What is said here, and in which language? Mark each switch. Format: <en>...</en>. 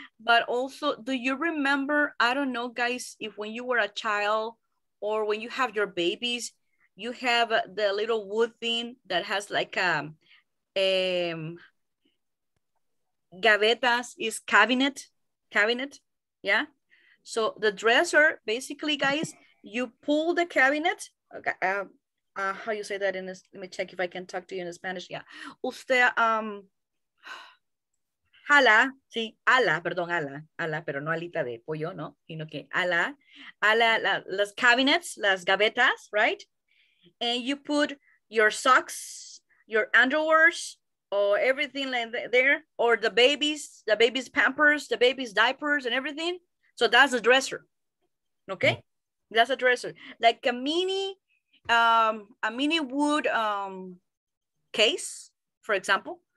<en>But also, do you remember, I don't know, guys, if when you were a child or when you have your babies, you have the little wood thing that has like gavetas, is cabinet, yeah? So the dresser, basically, guys, you pull the cabinet, how you say that in this, let me check if I can talk to you in Spanish, yeah.</en> <es>Usted, ala, sí, ala, perdón, ala, pero no alita de pollo, no, sino que ala, las cabinets, las gavetas, right?</es> <en>And you put your socks, your underwears, or everything like that there, or the baby's pampers, the baby's diapers, and everything. So that's a dresser, okay? Mm-hmm. That's a dresser, like a mini wood case, for example.</en>